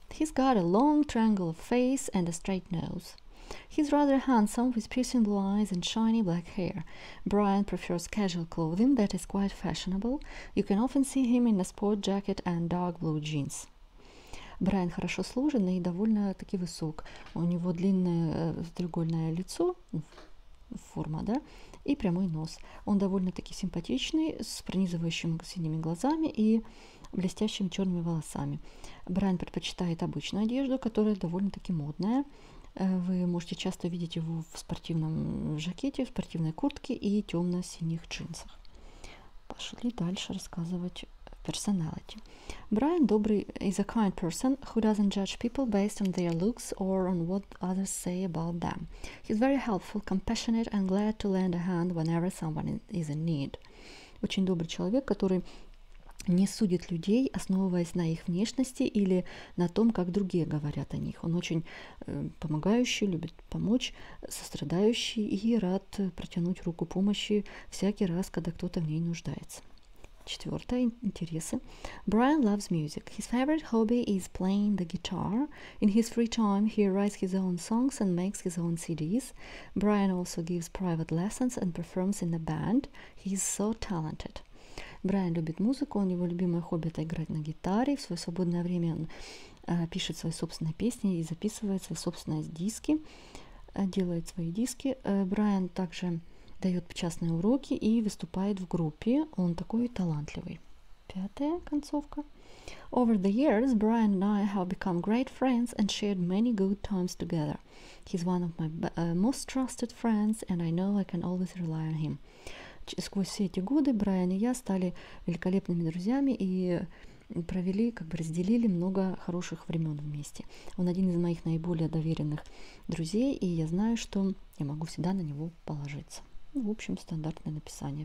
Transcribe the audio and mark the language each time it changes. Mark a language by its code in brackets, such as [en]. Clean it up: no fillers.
[en] He's got a long triangular face and a straight nose. He's rather handsome, with piercing blue eyes and shiny black hair. Brian prefers casual clothing that is quite fashionable. You can often see him in a sport jacket and dark blue jeans. [ru] Брайан хорошо сложен и довольно-таки высок. У него длинное треугольное лицо, форма, да, и прямой нос. Он довольно-таки симпатичный, с пронизывающими синими глазами и блестящими черными волосами. Брайан предпочитает обычную одежду, которая довольно-таки модная. Вы можете часто видеть его в спортивном жакете, в спортивной куртке и темно-синих джинсах. Пошли дальше рассказывать персоналити. Брайан добрый, [en] is a kind person who doesn't judge people based on their looks or on what others say about them. He's very helpful, compassionate and glad to lend a hand whenever someone is in need. [ru] Очень добрый человек, который не судит людей, основываясь на их внешности или на том, как другие говорят о них. Он очень помогающий, любит помочь, сострадающий и рад протянуть руку помощи всякий раз, когда кто-то в ней нуждается. Четвёртое, интересы. [en] Brian loves music. His favorite hobby is playing the guitar. In his free time, he writes his own songs and makes his own CDs. Brian also gives private lessons and performs in a band. He's so talented. [ru] Брайан любит музыку, у него любимое хобби – это играть на гитаре. В свое свободное время он пишет свои собственные песни и записывает свои собственные диски, делает свои диски. Брайан также дает частные уроки и выступает в группе. Он такой талантливый. Пятая концовка. [en] Over the years, Brian and I have become great friends and shared many good times together. He's one of my most trusted friends, and I know I can always rely on him. [ru] Сквозь все эти годы Брайан и я стали великолепными друзьями и провели, как бы разделили много хороших времен вместе. Он один из моих наиболее доверенных друзей, и я знаю, что я могу всегда на него положиться. В общем, стандартное написание.